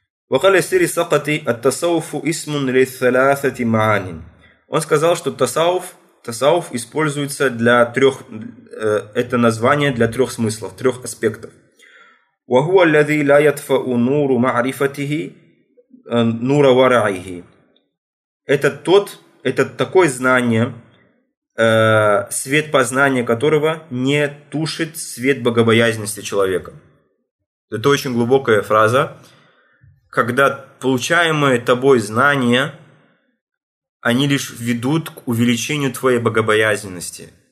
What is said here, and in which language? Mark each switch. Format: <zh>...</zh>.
<ar>وقال سيري سقطي التصوف اسم لثلاثة معان.</ar> <ru>Он сказал, что тасауф используется для трех, это название для трех смыслов, трех аспектов.</ru> <ar>وهو الذي لا يطفئ نور معرفته نور ورعه.</ar> <ru>Это такое знание, свет познания которого не тушит свет богобоязненности человека. Это очень глубокая фраза. Когда получаемые тобой знания, они лишь ведут к увеличению твоей богобоязненности.</ru>